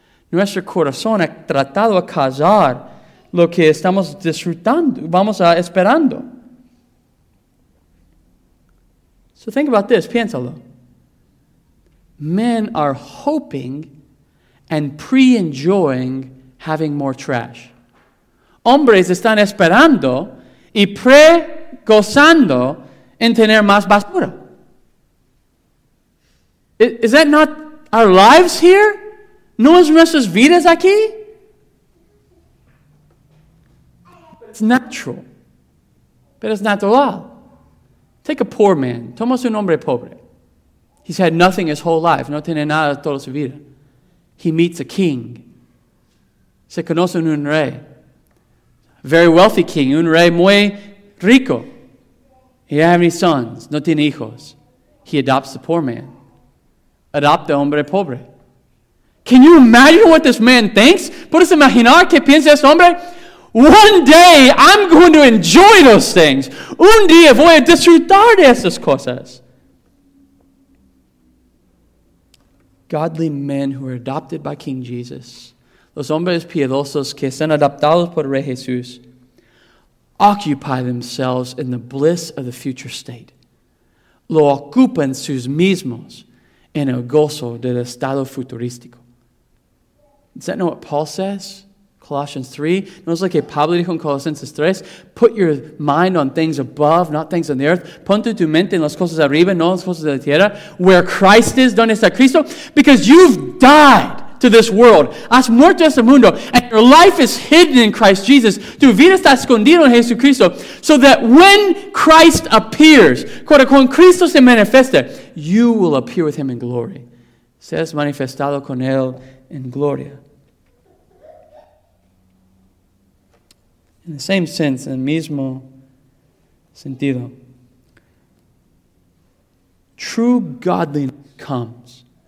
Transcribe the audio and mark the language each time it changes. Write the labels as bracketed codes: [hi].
[es] Nuestro corazón ha tratado a causar lo que estamos disfrutando, vamos a esperando. [en] So think about this, [es] piénsalo. [en] Men are hoping and pre-enjoying having more trash. [es] Hombres están esperando y pre-gozando en tener más basura. [en] Is that not our lives here? [es] No es nuestras vidas aquí? [en] It's natural. [es] Pero es natural. [en] Take a poor man. [es] Toma un hombre pobre. [en] He's had nothing his whole life. [es] No tiene nada toda su vida. [en] He meets a king. [es] Se conoce un rey. [en] Very wealthy king. [es] Un rey muy rico. [en] He doesn't have any sons. [es] No tiene hijos. [en] He adopts the poor man. [es] Adopta hombre pobre. [en] Can you imagine what this man thinks? [es] ¿Puedes imaginar qué piensa este hombre? [en] One day, I'm going to enjoy those things. [es] Un día voy a disfrutar de esas cosas. [en] Godly men who are adopted by King Jesus, [es] los hombres piadosos que son adoptados por Rey Jesús, [en] occupy themselves in the bliss of the future state. [es] Lo ocupan sus mismos en el gozo del estado futurístico. [en] Does that know what Paul says? Colossians 3. [es] No es lo que Pablo dijo en Colosenses 3. [en] Put your mind on things above, not things on the earth. [es] Pon tu mente en las cosas arriba, no en las cosas de la tierra. [en] Where Christ is, [es] donde está Cristo. [en] Because you've died to this world. [es] Has muerto este mundo. [en] And your life is hidden in Christ Jesus. [es] Tu vida está escondida en Jesucristo. [en] So that when Christ appears, [es] cuando Cristo se manifiesta, [en] you will appear with him in glory. [es] Seas manifestado con él en gloria. [en] In the same sense, in the [es] mismo sentido, [en] true godliness comes.